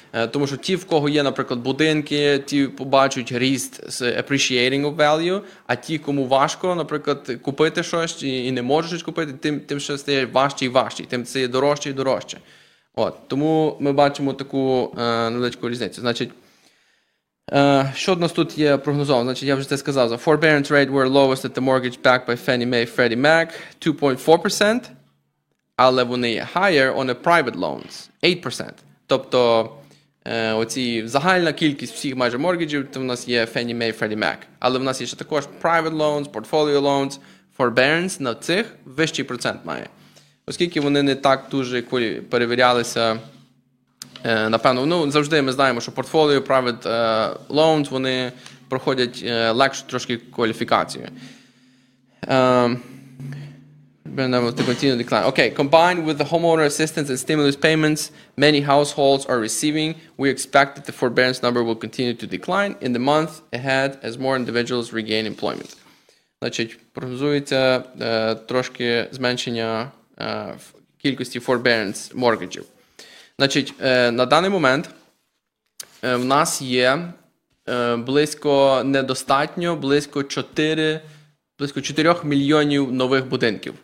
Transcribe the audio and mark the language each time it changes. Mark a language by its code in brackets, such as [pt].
[uk] Тому що ті, в кого є, наприклад, будинки, ті побачать ріст з [en] appreciating of value, [uk] а ті, кому важко, наприклад, купити щось і не можуть щось купити, тим ще стає важче і важче, тим це є дорожче і дорожче. От, тому ми бачимо таку невеличку різницю. Значить, що в нас тут є прогнозовано? Значить, я вже це сказав. [en] The forbearance rate were lowest at the mortgage backed by Fannie Mae, Freddie Mac, 2.4%, [uk] але вони [en] higher on the private loans, 8%. [uk] Тобто, оці загальна кількість всіх майже моргіджів, то в нас є Fannie Mae, Freddie Mac. Але в нас є ще також private loans, portfolio loans, forbearance на цих вищий процент має. Оскільки вони не так дуже перевірялися, напевно, ну завжди ми знаємо, що портфоліо, private loans, вони проходять легшу трошки кваліфікацію. [en] Okay, combined with the homeowner assistance and stimulus payments many households are receiving, we expect that the forbearance number will continue to decline in the month ahead as more individuals regain employment. [uk] Значить, прогнозується трошки зменшення в кількості forbearance моргіджів. Значить, на даний момент в нас є близько 4 мільйонів нових будинків.